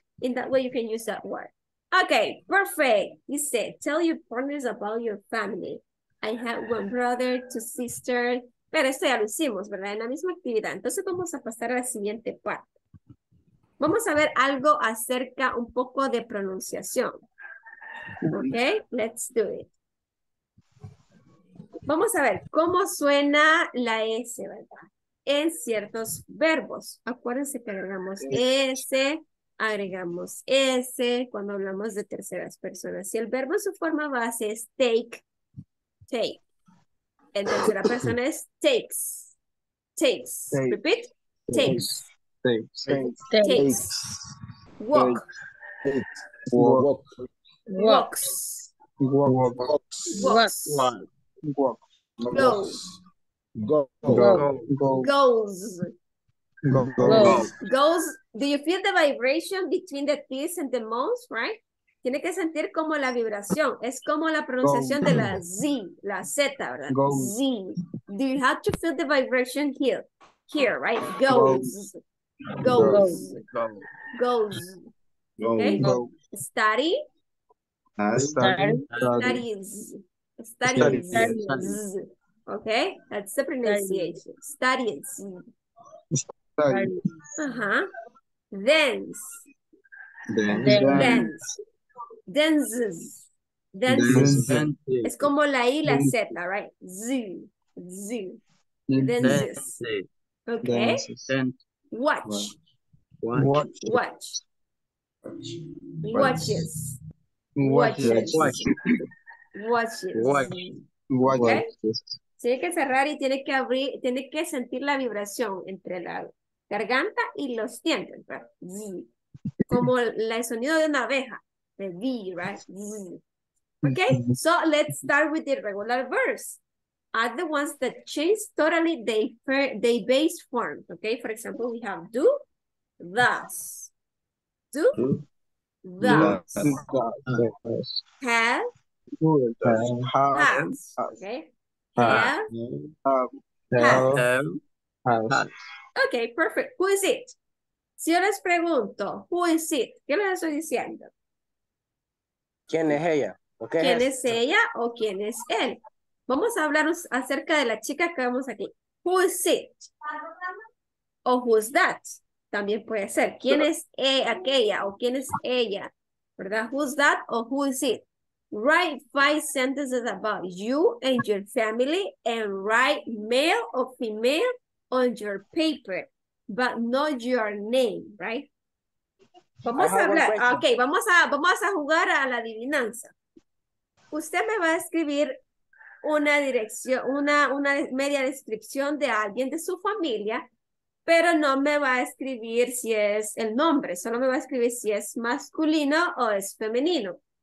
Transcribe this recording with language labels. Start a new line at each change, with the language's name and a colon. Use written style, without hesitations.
English: In that way, you can use that word. Okay, perfect. You said, tell your partners about your family. I have one brother, two sisters.
Spanish: Pero esto ya lo hicimos, ¿verdad? En la misma actividad. Entonces vamos a pasar a la siguiente parte. Vamos a ver algo acerca un poco de pronunciación.
English: Okay, let's do it.
Spanish: Vamos a ver cómo suena la S, ¿verdad? en ciertos verbos. Acuérdense que agregamos S, agregamos S cuando hablamos de terceras personas. Si el verbo su forma base es take, take. En tercera persona es takes, takes. Take.
English: Repeat, takes. Takes. Takes. Takes. Takes. Takes. Walk. Walk. Walk. Walks. Walk. Walks. Walks. Walks. Walks. Walks. Goes. Go, go, go, go, go. Goes. Go, go, go. Goes. Do you feel the vibration between the T's and the M's, right?
Spanish: Tiene que sentir como la vibración. Es como la pronunciación go. De la Z, la Z, ¿verdad?
English: Go. Z. Do you have to feel the vibration here? Here, right? Goes. Go. Goes. Go. Goes. Go. Goes. Okay? Go. Study. Study. Study. Studies. Studies. Studies. Studies. Studies. Okay, that's the pronunciation. Studies. Studies. Uh-huh. Dance. Dance. Dance. Dances. Dances.
Spanish: Es como la I, la Z,
English: right? Zoo. Zoo. Dances. Okay. Dances. Watch. Watch. Watch. Watch. Watches. Watches. Watches. Watches. Watches. Watches. Okay.
Spanish: Tiene que cerrar y tiene que abrir, tiene que sentir la vibración entre la garganta y los dientes, ¿verdad? Como el sonido de una abeja, de V, ¿verdad?
English: Okay, so let's start with the regular verbs. Are the ones that change totally their base form, okay? For example, we have do, thus. Do, thus. Have, okay? Have. Okay, perfect. Who is it?
Spanish: Si yo les pregunto,
English: who is it?
Spanish: ¿Qué les estoy diciendo? ¿Quién es ella? Okay. ¿Quién es ella o quién es él? Vamos a hablar acerca de la chica que vemos aquí.
English: Who is it? O who's that?
Spanish: También puede ser. ¿Quién es aquella o quién es ella? ¿Verdad?
English: Who's that o who is it? Write 5 sentences about you and your family and write male or female on your paper, but not your name, right?
Spanish: Vamos a hablar. Ok, vamos a jugar a la adivinanza. Usted me va a escribir una dirección, una media descripción de alguien de su familia, pero no me va a escribir si es el nombre, solo me va a escribir si es masculino o es femenino.